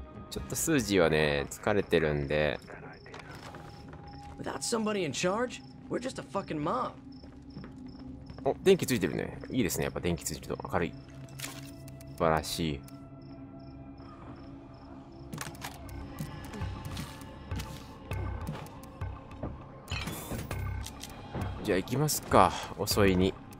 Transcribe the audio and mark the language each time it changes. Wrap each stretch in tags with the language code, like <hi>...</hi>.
<ja>ちょっとスージーはね、疲れてるんで。</ja> <en>Without somebody in charge, we're just a fucking mob.</en> <ja>お、電気ついてるね。いいですね。やっぱ電気ついてると明るい。素晴らしい。じゃあ行きますか。遅いに。</ja>